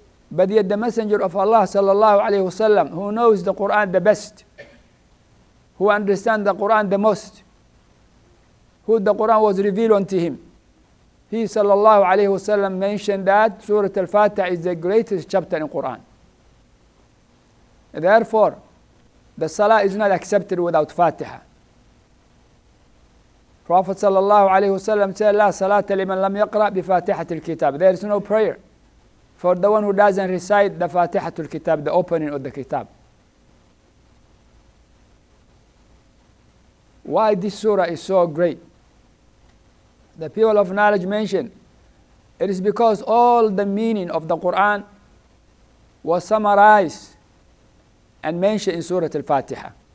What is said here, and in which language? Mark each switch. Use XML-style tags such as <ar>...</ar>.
<en>But yet the messenger of Allah sallallahu alayhi wa sallam, who knows the Quran the best, who understands the Quran the most, who the Quran was revealed unto him, he sallallahu alayhi wa sallam mentioned that Surah Al-Fatiha is the greatest chapter in Quran. Therefore, the salah is not accepted without Fatiha. Prophet sallallahu alayhi wa sallam said,</en> <ar>لا صلاة لمن لم يقرأ بفاتحة الكتاب.</ar> <en>There is no prayer for the one who doesn't recite the Fatiha to the kitab, the opening of the kitab. Why this surah is so great? The people of knowledge mention, it is because all the meaning of the Quran was summarized and mentioned in Surah Al-Fatiha.</en>